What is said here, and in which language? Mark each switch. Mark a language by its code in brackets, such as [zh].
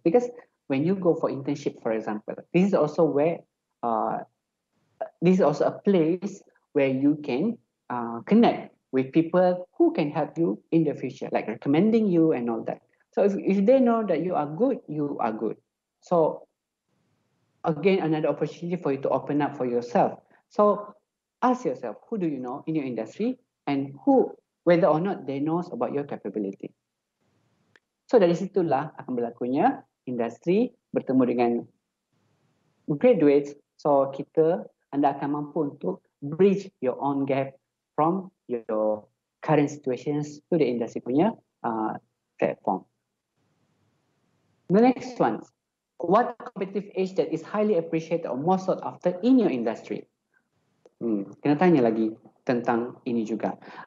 [en] Because when you go for internship, for example, this is also where, this is also a place where you can connect with people who can help you in the future, like recommending you and all that. So if they know that you are good, you are good. So again, another opportunity for you to open up for yourself. So ask yourself, who do you know in your industry and who, whether or not they knows about your capability. [ms] So dari situlah akan berlakunya industri bertemu dengan graduates. [en] So [ms] kita, anda akan mampu untuk [en] bridge your own gap from your current situations to the industry [ms] punya [en] platform. The next one, what competitive edge that is highly appreciated or most sought after in your industry? [ms] Kena tanya lagi tentang ini juga.